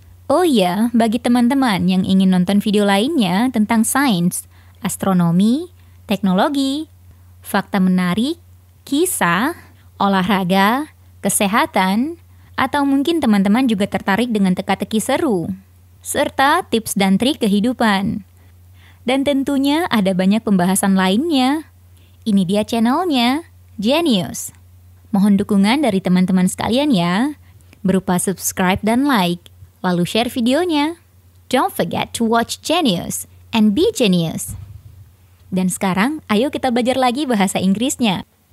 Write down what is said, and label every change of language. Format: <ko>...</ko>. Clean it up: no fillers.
<id>Oh ya, bagi teman-teman yang ingin nonton video lainnya tentang sains, astronomi, teknologi, fakta menarik, kisah, olahraga, kesehatan, atau mungkin teman-teman juga tertarik dengan teka-teki seru, serta tips dan trik kehidupan. Dan tentunya ada banyak pembahasan lainnya. Ini dia channelnya, Genius. Mohon dukungan dari teman-teman sekalian ya, berupa subscribe dan like, lalu share videonya.</id> <en>Don't forget to watch Genius and be genius.</en> <id>Dan sekarang, ayo kita belajar lagi bahasa Inggrisnya.</id>